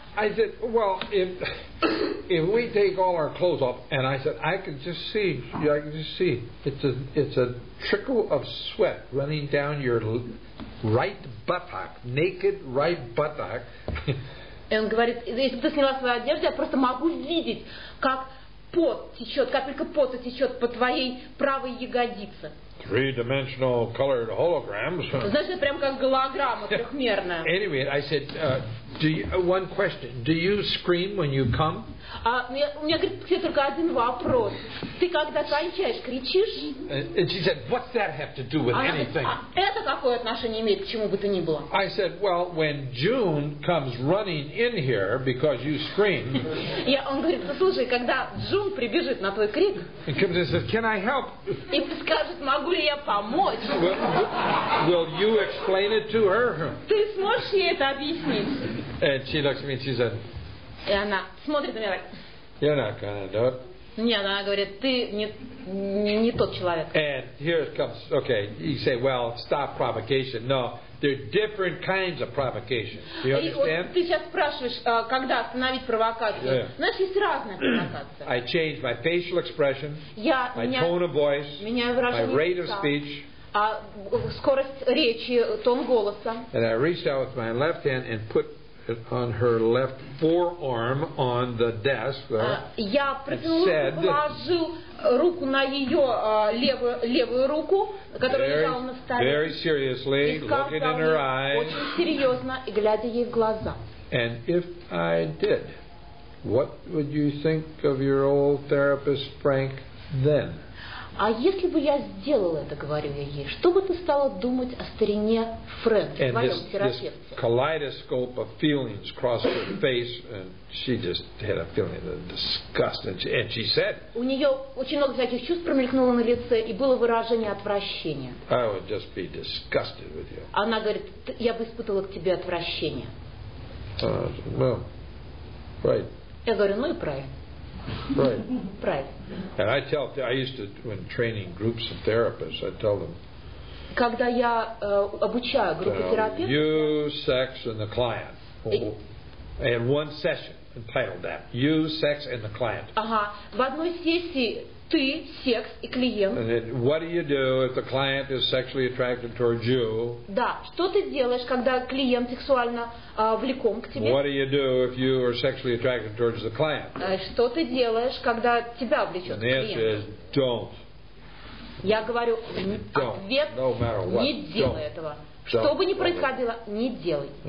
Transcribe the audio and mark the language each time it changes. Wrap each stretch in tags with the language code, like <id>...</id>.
<en>I said, well, if we take all our clothes off, and I said, I can just see, it's a trickle of sweat running down your right buttock, naked right buttock.</en> <ru>Он говорит, если бы ты сняла свою одежду, я просто могу видеть, как пот течет, капелька пота течет по твоей правой ягодице.</ru> <en>Three-dimensional colored holograms.</en> <ru>Знаешь, прям как голограмма трехмерная.</ru> <en>Anyway, I said, one question. Do you scream when you come?</en> <ru>У меня, говорит, только один вопрос. Ты когда кончаешь, кричишь?</ru> <en>And she said, what's that have to do with anything?</en> <ru>Это какое отношение имеет к чему бы то ни было?</ru> <en>I said, well, when June comes running in here because you scream.</en> <ru>Он говорит, слушай, когда Джун прибежит на твой крик.</ru> <en>And comes and says, can I help?</en> <ru>И скажет, могу ли я помочь?</ru> <en>Will you explain it to her?</en> <ru>Ты сможешь ей это объяснить?</ru> <en>And she looks at me and she said,</en> <ru>и она смотрит на меня like,</ru> <en>you're not gonna do it.</en> <ru>Нет, она говорит, ты не тот человек.</ru> <en>And here it comes. Okay, you say, well, stop provocation. No, There are different kinds of provocation. Do you understand?</en> <ru>Ты сейчас спрашиваешь, когда остановить провокацию? Знаешь, есть разная провокация.</ru> <en>I change my facial expression.</en> <ru>Я меняю</ru> <en>tone of voice.</en> <ru>Меняю выражение лица.</ru> <en>My rate of speech.</en> <ru>А скорость речи, тон голоса.</ru> <en>And I reached out with my left hand and put on her left forearm on the desk.</en> <ru>Я положил руку на ее левую руку, которая лежала на столе.</ru> <en>Very seriously, looking in her eyes.</en> <ru>Очень серьезно и глядя ей в глаза.</ru> <en>And if I did, what would you think of your old therapist Frank then?</en> <ru>А если бы я сделала это, говорю я ей, что бы ты стала думать о старине Фрэнке, твоем терапевте?</ru> <en>And this kaleidoscope of feelings crossed her face, and she just had a feeling of disgust, and she said.</en> <ru>У нее очень много всяких чувств промелькнуло на лице, и было выражение отвращения.</ru> <en>I would just be disgusted with you.</en> <ru>Она говорит, я бы испытывала к тебе отвращение.</ru> <en>Well, right.</en> <ru>Я говорю, ну и правильно.</ru> <en>Right. And I tell, I used to, when training groups of therapists, I tell them,</en> <ru>когда я обучаю группу терапевтов,</ru> <en>you, sex, and the client. And one session entitled that. You, sex, and the client.</en> <ru>Ага. В одной сессии ты, секс, и клиент.</ru> <en>And then, what do you do if the client is sexually attracted towards you?</en> <ru>Да. Что ты делаешь, когда клиент сексуально влеком к тебе?</ru> <en>What do you do if you are sexually attracted towards the client?</en> <ru>Что ты делаешь, когда тебя влечет клиент?</ru> <en>And the answer is, don't.</en> <ru>Я говорю, ответ,</ru> <en>no matter what,</en> <ru>не делай этого. Что бы ни происходило, не делай.</ru>